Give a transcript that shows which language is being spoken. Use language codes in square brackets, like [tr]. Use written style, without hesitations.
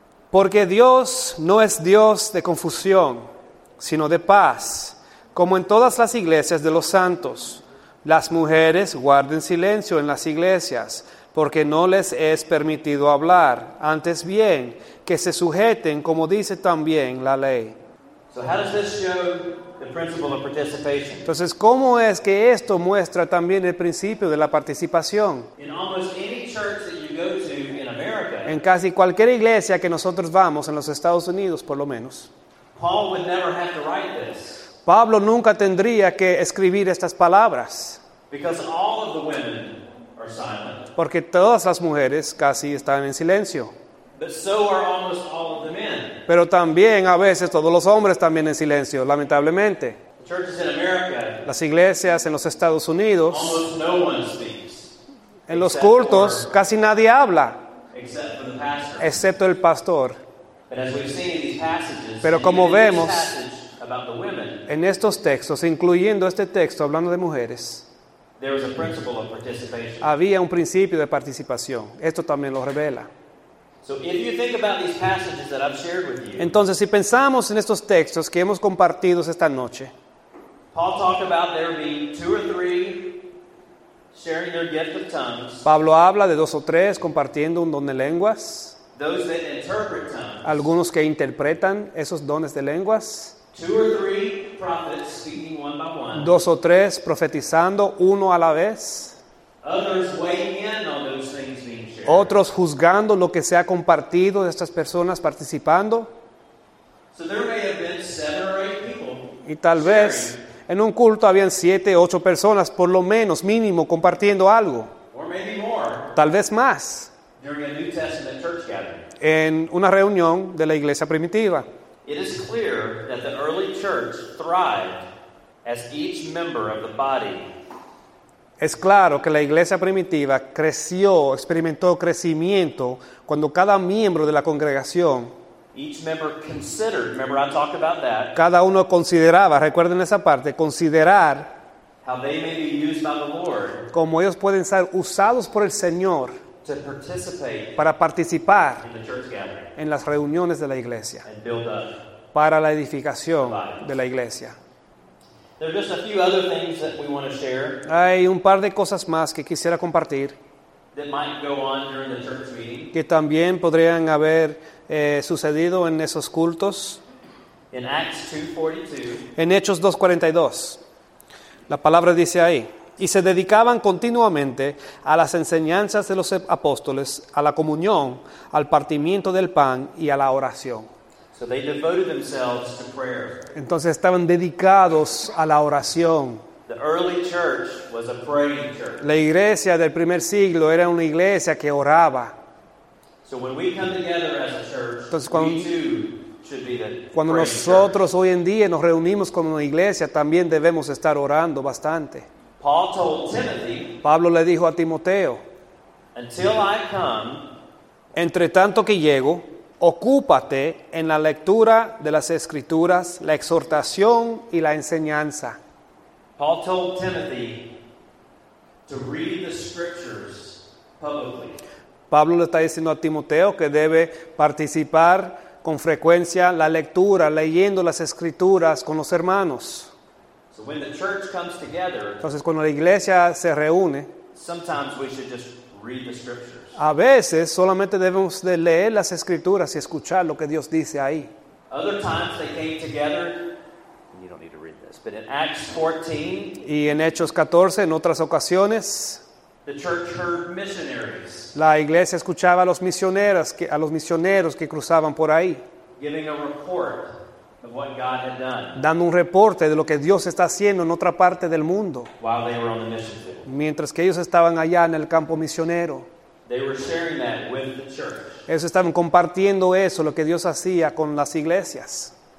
[es] Porque Dios no es Dios de confusión, sino de paz, como en todas las iglesias de los santos. Las mujeres guarden silencio en las iglesias, porque no les es permitido hablar, antes bien, que se sujeten como dice también la ley. [en] So how does this show the principle of participation? [es] Entonces, ¿cómo es que esto muestra también el principio de la participación? [en] In almost any church that you go to in America, [es] en casi cualquier iglesia que nosotros vamos, en los Estados Unidos por lo menos, [en] Paul would never have to write this. [es] Pablo nunca tendría que escribir estas palabras. [en] Because all of the women are silent. [es] Porque todas las mujeres casi están en silencio. [en] But so are almost all of the men. [es] Pero también a veces todos los hombres también en silencio, lamentablemente. [en] The churches in America, [es] las iglesias en los Estados Unidos, [en] almost no one speaks, [es] en los cultos [en] for, [es] casi nadie habla, [en] except for the pastor. [es] Excepto el pastor. [en] But as we've seen in these passages, [es] pero como vemos [en] this passage about the women, [es] en estos textos, incluyendo este texto hablando de mujeres, [en] there was a principle of participation. [es] Había un principio de participación. Esto también lo revela. [en] So if you think about these passages that I've shared with you, [es] entonces, si pensamos en estos textos que hemos compartido esta noche, [en] Paul talked about there being two or three sharing their gift of tongues. [es] Pablo habla de dos o tres compartiendo un don de lenguas. [en] Those that interpret tongues. [es] Algunos que interpretan esos dones de lenguas. [en] Two or three prophets speaking one by one. [es] Dos o tres profetizando uno a la vez. [en] Others weighing in on those things being shared. [es] Otros juzgando lo que se ha compartido de estas personas participando. [en] So there may have been seven or eight people. [es] Y tal vez en un culto habían siete, ocho personas por lo menos, mínimo, compartiendo algo. [en] Or maybe more. [es] Tal vez más. [en] During a New Testament church gathering. [es] En una reunión de la iglesia primitiva. [en] It is clear that the early church thrived as each member of the body. [es] Es claro que la iglesia primitiva creció, experimentó crecimiento cuando cada miembro de la congregación, [en] each member considered, remember I talked about that, [es] cada uno consideraba, recuerden esa parte, considerar [en] how they may be used by the Lord, [es] cómo ellos pueden ser usados por el Señor [en] to participate [es] para participar [en] in the church gathering, [es] en las reuniones de la iglesia [en] and build up [es] para la edificación de la iglesia. [en] There are just a few other things that we want to share. [es] Hay un par de cosas más que quisiera compartir. [en] That might go on during the church meeting. [es] Que también podrían haber sucedido en esos cultos. [en] In Acts 2:42. [es] En Hechos 2:42. La palabra dice ahí. Y se dedicaban continuamente a las enseñanzas de los apóstoles, a la comunión, al partimiento del pan y a la oración. [en] So they devoted themselves to prayer. [es] Entonces estaban dedicados a la oración. [en] The early church was a praying church. [es] La iglesia del primer siglo era una iglesia que oraba. [en] So when we come together as a church, [es] entonces, cuando nosotros hoy en día nos reunimos como una iglesia, también debemos estar orando bastante. [en] Paul told Timothy, [es] Pablo le dijo a Timoteo, [en] until I come, [es] entre tanto que llego, ocúpate en la lectura de las Escrituras, la exhortación y la enseñanza. [en] Paul told Timothy to read the Scriptures publicly. [es] Pablo le está diciendo a Timoteo que debe participar con frecuencia la lectura, leyendo las Escrituras con los hermanos. [en] So when the church comes together, [es] entonces cuando la iglesia se reúne, [en] sometimes we should just read the Scriptures. [es] A veces solamente debemos de leer las Escrituras y escuchar lo que Dios dice ahí. [en] Other times they came together, you don't need to read this, but in Acts 14, [es] y en Hechos 14, en otras ocasiones, [en] the church heard missionaries. [es] La iglesia escuchaba a los misioneros que cruzaban por ahí, [en] giving a report of what God had done. [es] Dando un reporte de lo que Dios está haciendo en otra parte del mundo. [en] While they were on the mission field. [es] Mientras que ellos estaban allá en el campo misionero. [en] They were sharing that with the church. [es] Ellos estaban compartiendo eso, lo que Dios hacía con las iglesias.